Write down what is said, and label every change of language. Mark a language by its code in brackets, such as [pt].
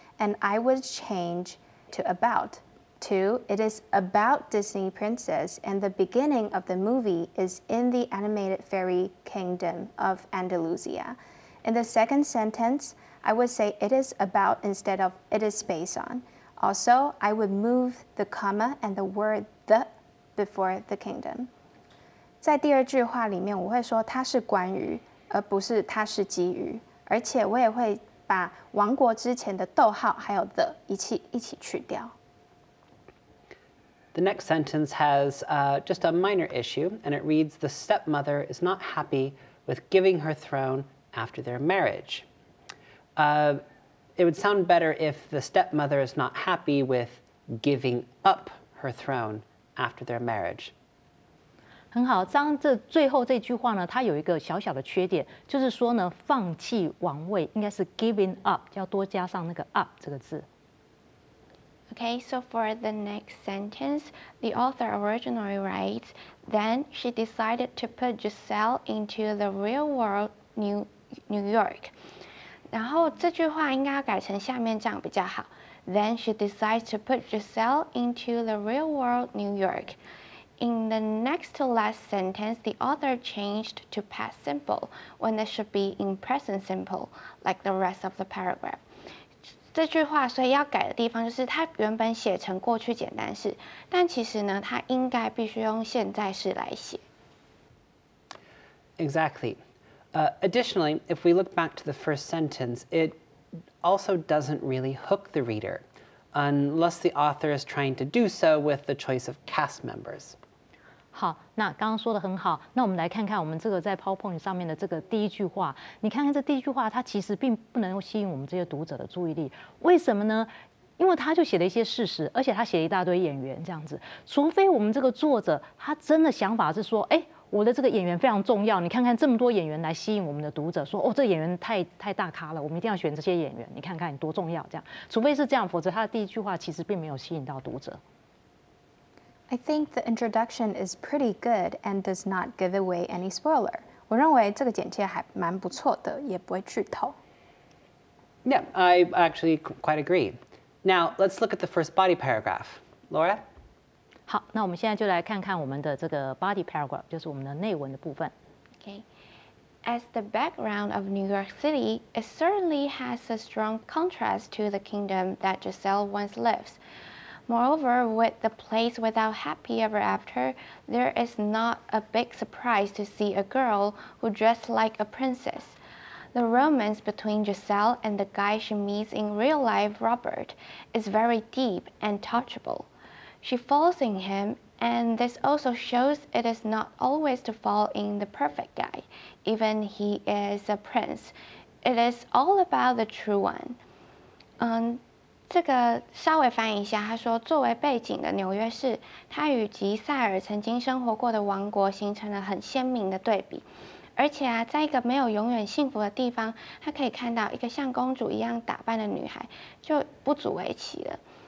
[en] And I would change to about. Two, it is about Disney Princess, and the beginning of the movie is in the animated fairy Kingdom of Andalusia. In the second sentence, I would say it is about instead of it is based on. Also, I would move the comma and the word the before the kingdom. [zh] 在第二句话里面，我会说它是关于，而不是它是基于。而且我也会把王国之前的逗号还有 the 一起去掉。 [en] The next sentence has just a minor issue, and it reads, The stepmother is not happy with giving her throne after their marriage. It would sound better if the stepmother is not happy with giving up her throne after their marriage. [zh] 很好，张这最后这句话呢，它有一个小小的缺点，就是说呢，放弃王位应该是 [en] giving up， [zh] 要多加上那个 up 这个字。 [en] Okay, so for the next sentence, the author originally writes, then she decided to put Giselle into the real world, New York. [zh] 然后这句话应该要改成下面这样比较好。 [en] Then she decides to put Giselle into the real world New York. In the next to last sentence, the author changed to past simple when it should be in present simple, like the rest of the paragraph. [zh] 这句话所以要改的地方就是它原本写成过去简单式，但其实呢，它应该必须用现在式来写。 [en] Exactly. Additionally, if we look back to the first sentence, it also doesn't really hook the reader, unless the author is trying to do so with the choice of cast members. [zh] 好，那刚刚说的很好。那我们来看看我们这个在 PowerPoint 上面的这个第一句话。你看看这第一句话，它其实并不能够吸引我们这些读者的注意力。为什么呢？因为他就写了一些事实，而且他写了一大堆演员这样子。除非我们这个作者他真的想法是说，哎。我的这个演员非常重要，你看看这么多演员来吸引我们的读者，说哦，这个演员太大咖了，我们一定要选这些演员，你看看你多重要，这样。除非是这样，否则他的第一句话其实并没有吸引到读者。 [en] I think the introduction is pretty good and does not give away any spoiler. [zh] 我认为这个简介还蛮不错的，也不会剧透。 [en] Yeah, I actually quite agree. Now let's look at the first body paragraph, Laura. [zh] 好，那我们现在就来看看我们的这个 [en] body paragraph， [zh] 就是我们的内文的部分。 [en] Okay, as the background of New York City, it certainly has a strong contrast to the kingdom that Giselle once lives. Moreover, with the place without happy ever after, there is not a big surprise to see a girl who dressed like a princess. The romance between Giselle and the guy she meets in real life, Robert, is very deep and touchable. She falls in him, and this also shows it is not always to fall in the perfect guy, even he is a prince. It is all about the true one. [zh] 这个稍微翻译一下，他说作为背景的纽约市，他与吉塞尔曾经生活过的王国形成了很鲜明的对比。而且啊，在一个没有永远幸福的地方，他可以看到一个像公主一样打扮的女孩，就不足为奇了。